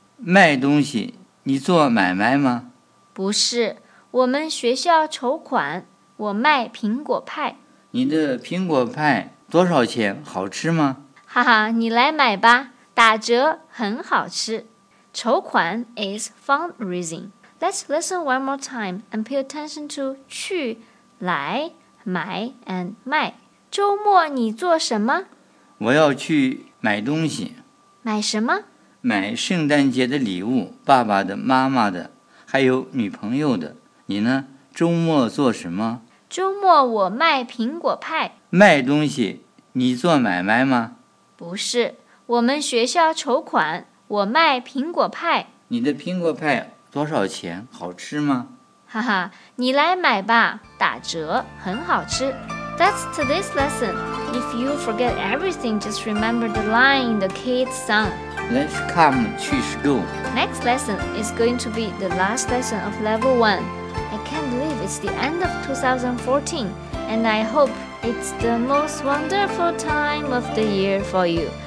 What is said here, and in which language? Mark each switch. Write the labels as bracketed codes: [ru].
[zh] 卖东西？你做买卖吗？不是，我们学校筹款，我卖苹果派。你的苹果派多少钱？好吃吗？哈哈，你来买吧，打折，很好吃。 [en] 筹款 is fundraising. Let's listen one more time and pay attention to 去、来、买 and 卖。 [zh] 周末你做什么？我要去买东西。买什么？买圣诞节的礼物，爸爸的，妈妈的，还有女朋友的。你呢？周末做什么？周末我卖苹果派。卖东西？你做买卖吗？不是，我们学校筹款，我卖苹果派。你的苹果派多少钱？好吃吗？哈哈，你来买吧，打折，很好吃。 [en] That's today's lesson. If you forget everything, just remember the line in the kid's song. Let's come to school. Next lesson is going to be the last lesson of level 1. I can't believe it's the end of 2014, and I hope it's the most wonderful time of the year for you.